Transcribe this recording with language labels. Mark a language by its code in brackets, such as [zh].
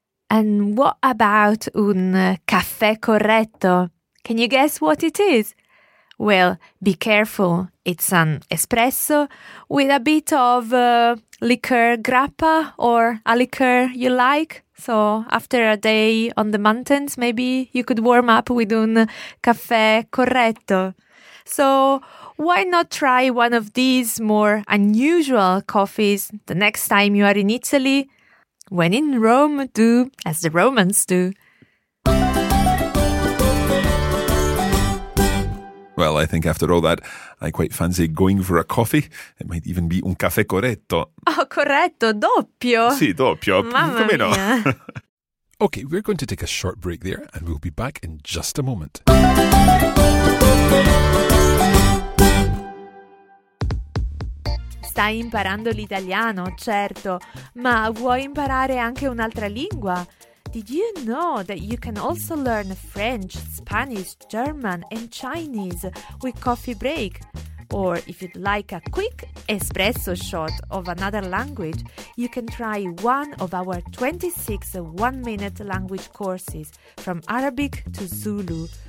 [en] And what about un caffè corretto? Can you guess what it is? Well, be careful. It's an espresso with a bit of liqueur grappa or a liqueur you like. So after a day on the mountains, maybe you could warm up with un caffè corretto. So why not try one of these more unusual coffees the next time you are in Italy? When in Rome, do as the Romans do. Well, I think after all that, I quite fancy going for a coffee. It might even be un caffè corretto. [it] Oh, corretto, doppio. Sì, doppio. Mamma Come no? [en] Okay, we're going to take a short break there and we'll be back in just a moment. [it] Stai imparando l'italiano, certo, ma vuoi imparare anche un'altra lingua? [en] Did you know that you can also learn French, Spanish, German and Chinese with Coffee Break? Or if you'd like a quick espresso shot of another language, you can try one of our 26 one-minute language courses from Arabic to Zulu.